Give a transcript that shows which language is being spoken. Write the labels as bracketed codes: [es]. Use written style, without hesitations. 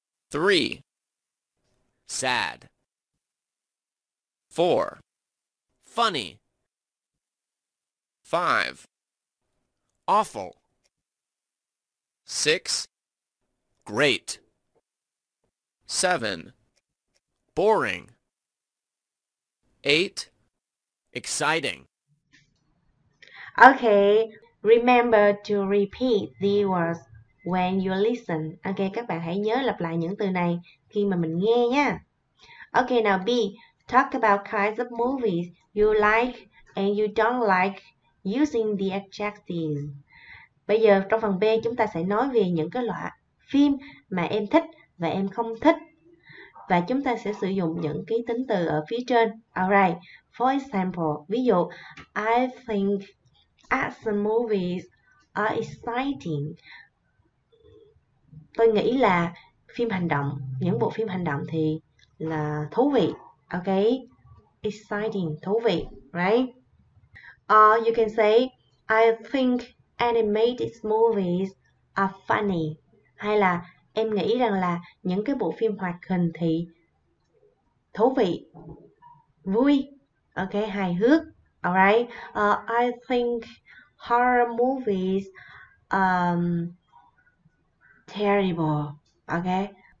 [en] 3. Sad. 4. Funny. 5. Awful. 6. Great. 7. Boring. 8. Exciting. Okay, remember to repeat the words when you listen. [vi] Okay, các bạn hãy nhớ lặp lại những từ này khi mà mình nghe nha. [en] Okay, now B, talk about kinds of movies you like and you don't like using the adjectives. [vi] Bây giờ trong phần B chúng ta sẽ nói về những cái loại phim mà em thích và em không thích. Và chúng ta sẽ sử dụng những cái tính từ ở phía trên. [en] Alright. For example, [vi] ví dụ, [en] I think action movies are exciting. [vi] Tôi nghĩ là phim hành động, những bộ phim hành động thì là thú vị. [en] Ok, exciting, [vi] thú vị, [en] right? Or you can say, I think animated movies are funny. [vi] Hay là em nghĩ rằng là những cái bộ phim hoạt hình thì thú vị, vui. [en] Ok, [vi] hài hước. [en] Alright. I think horror movies terrible. Ok.